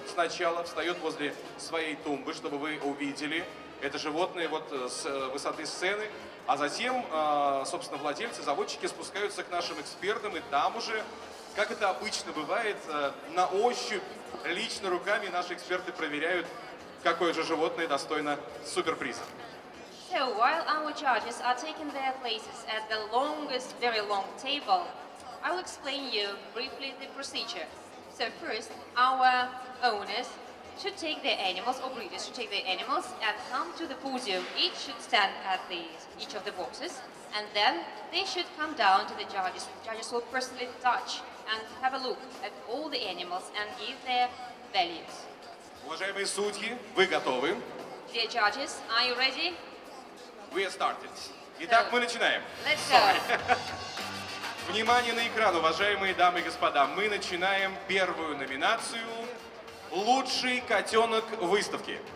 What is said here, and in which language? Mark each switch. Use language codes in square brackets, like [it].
[ru] Сначала встает возле своей тумбы, чтобы вы увидели это животное вот с высоты сцены. А затем, собственно, владельцы, заводчики спускаются к нашим экспертам. И там уже, как это обычно бывает, на ощупь, лично руками наши эксперты проверяют, какое же животное достойно суперприза. [en] So, while our judges are taking their places at the longest, very long table, I will explain you briefly the procedure. So first, our owners should take their animals, or breeders should take their animals and come to the podium. Each should stand at the each of the boxes, and then they should come down to the judges. The judges will personally touch and have a look at all the animals and give their values. [ru] Уважаемые судьи, вы готовы? [en] Dear judges, are you ready? We are started. [ru] Итак, [en] so, [ru] мы начинаем. [en] Let's go. [ru] Внимание на экран, уважаемые дамы и господа. Мы начинаем первую номинацию «Лучший котенок выставки».